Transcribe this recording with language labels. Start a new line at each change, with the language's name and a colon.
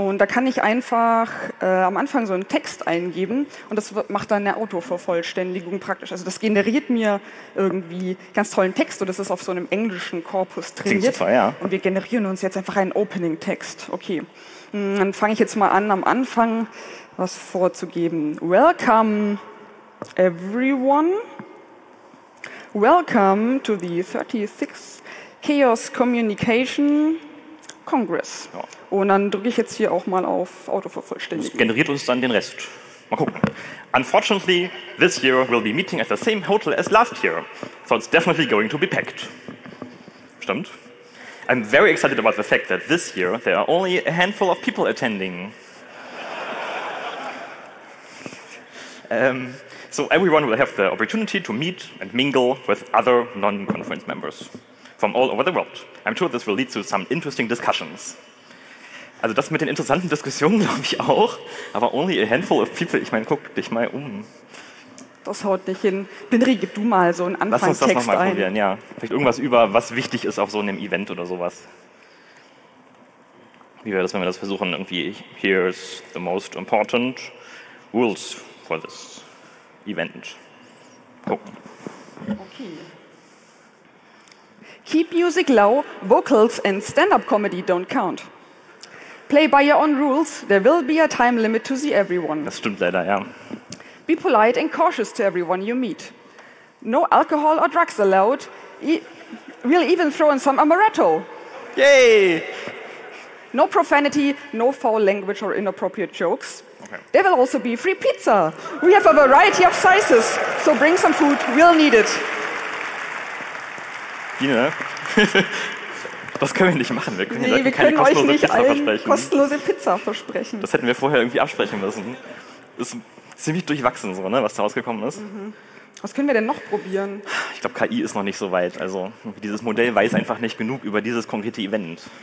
German: Und da kann ich einfach am Anfang so einen Text eingeben und das macht dann eine Autovervollständigung praktisch. Also das generiert mir irgendwie ganz tollen Text und das ist auf so einem englischen Korpus trainiert. Klingt super, ja. Und wir generieren uns jetzt einfach einen Opening-Text. Okay, dann fange ich jetzt mal an, am Anfang was vorzugeben.
English: Welcome... Everyone, welcome to the 36th Chaos Communication Congress.
German: Ja. Und dann drücke ich jetzt hier auch mal auf Autovervollständigung. Das generiert uns dann den Rest. Mal gucken.
English: Unfortunately, this year we'll be meeting at the same hotel as last year, so it's definitely going to be packed.
German: Stimmt.
English: I'm very excited about the fact that this year there are only a handful of people attending. So everyone will have the opportunity to meet and mingle with other non-conference members from all over the world. I'm sure this will lead to some interesting discussions.
German: Also das mit den interessanten Diskussionen glaube ich auch, aber
English: only a handful of people,
German: ich meine, guck dich mal um. Das haut nicht hin. Henry, gib du mal so einen Anfangstext ein. Lass uns das nochmal probieren, ja. Vielleicht irgendwas über, was wichtig ist auf so einem Event oder sowas. Wie wäre das, wenn wir das versuchen, irgendwie,
English: here's the most important rules for this event. Oh. Okay. Keep music low, vocals and stand-up comedy don't count. Play by your own rules, there will be a time limit to see everyone.
German: Das stimmt leider, ja.
English: Be polite and cautious to everyone you meet. No alcohol or drugs allowed. We'll even throw in some amaretto. Yay! No profanity, no foul language or inappropriate jokes. Okay. There will also be free pizza. We have a variety of sizes, so bring some food, we'll need it.
German: Gina, das können wir nicht machen. Wir können, wir können keine euch nicht allen kostenlose Pizza versprechen. Das hätten wir vorher irgendwie absprechen müssen. Das ist ziemlich durchwachsen, so, ne, was da rausgekommen ist. Mhm. Was können wir denn noch probieren? Ich glaube, KI ist noch nicht so weit. Also dieses Modell weiß einfach nicht genug über dieses konkrete Event.